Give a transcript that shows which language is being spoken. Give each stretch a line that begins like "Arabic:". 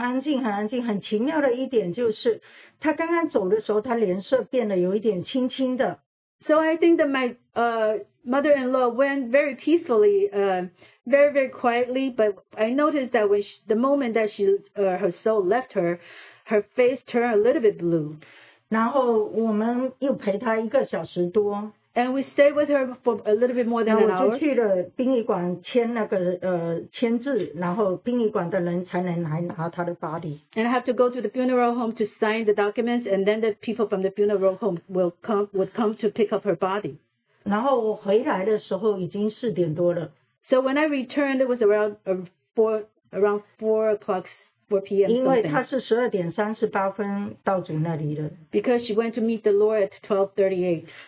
Chinese: 所以我就在想，我婆婆是很安静，很奇妙的一点就是。她刚刚走的时候，她脸色变得有一点青青的。
English: So I think that my mother-in-law went very peacefully, very, very quietly. But I noticed that when her soul left her, her face turned a little bit blue.
Chinese: 然后我们又陪她一个小时多。
English: And we stayed with her for a little bit more than an hour.
Chinese: 然后我就去了殡仪馆签那个签字，然后殡仪馆的人才能来拿她的
English: body. And I have to go to the funeral home to sign the documents, and then the people from the funeral home would come to pick up her body.
Chinese: 然后我回来的时候已经4点多了。
English: So when I returned, it was around four o'clock.
Chinese: 因为他是12:38到主那里的，
English: because she went to meet the Lord at 12:38.